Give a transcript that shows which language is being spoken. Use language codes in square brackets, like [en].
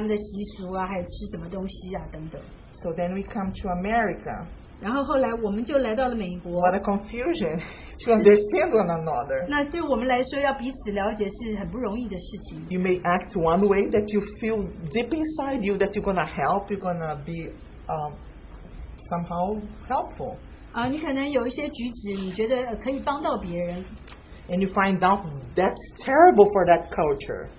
[zh] 所以你就有你的方式，各自每一国有自己的方法，是有关他们的习俗啊，还有吃什么东西啊等等。 [en] So then we come to America. [zh] 然后后来我们就来到了美国。 [en] What a confusion to understand one another. [zh] 那对我们来说要彼此了解是很不容易的事情。 [en] You may act one way that you feel deep inside you that you're going to help, you're going to be somehow helpful. [zh] 你可能有一些举止你觉得可以帮到别人。 [en] And you find out that's terrible for that culture.